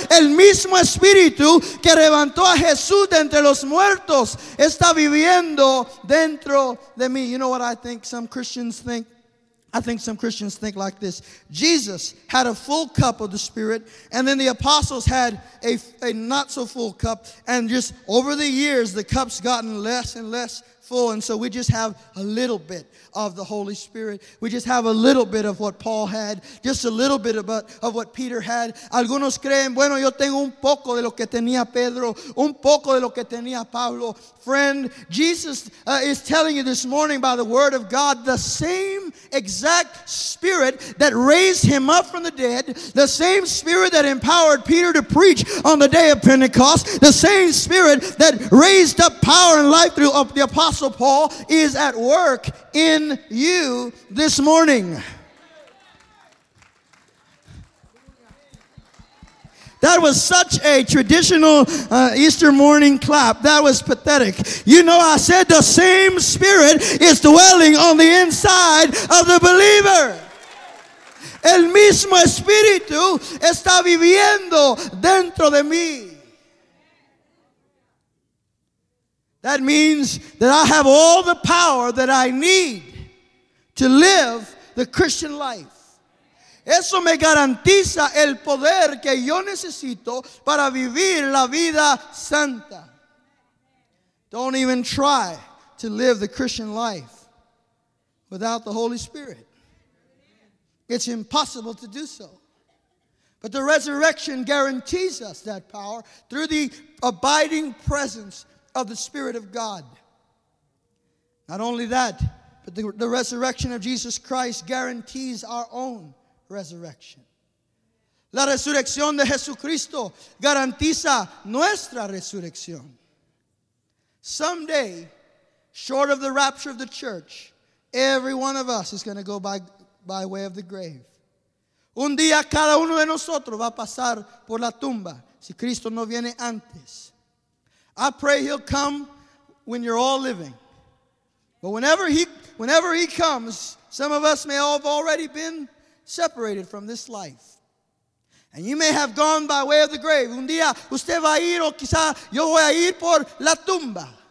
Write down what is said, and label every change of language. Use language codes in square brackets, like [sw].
[es] El mismo Espíritu que levantó a Jesús de entre los muertos está viviendo dentro de mí. [en] You know what I think some Christians think? I think some Christians think like this. Jesus had a full cup of the Spirit, and then the apostles had a not so full cup, and just over the years, the cup's gotten less and less full, and so we just have a little bit of the Holy Spirit. We just have a little bit of what Paul had, just a little bit of what Peter had. [es] Algunos creen, bueno, yo tengo un poco de lo que tenía Pedro, un poco de lo que tenía Pablo. [en] Friend, Jesus is telling you this morning by the word of God, the same exact Spirit that raised him up from the dead, the same Spirit that empowered Peter to preach on the day of Pentecost, the same Spirit that raised up power and life through the Apostle Paul is at work in you this morning. That was such a traditional Easter morning clap. That was pathetic. You know, I said the same Spirit is dwelling on the inside of the believer. [es] El mismo Espíritu está viviendo dentro de mí. [en] That means that I have all the power that I need to live the Christian life. [es] Eso me garantiza el poder que yo necesito para vivir la vida santa. [en] Don't even try to live the Christian life without the Holy Spirit. It's impossible to do so. But the resurrection guarantees us that power through the abiding presence of the Spirit of God. Not only that, but the resurrection of Jesus Christ guarantees our own resurrection. [es] La resurrección de Jesucristo garantiza nuestra resurrección. [en] Someday, short of the rapture of the church, every one of us is going to go by way of the grave. [es] Un día cada uno de nosotros va a pasar por la tumba si Cristo no viene antes. [en] I pray he'll come when you're all living. But whenever he comes, some of us may all have already been separated from this life. And you may have gone by way of the grave. [es] Un día usted va a ir o quizá yo voy a ir por la tumba.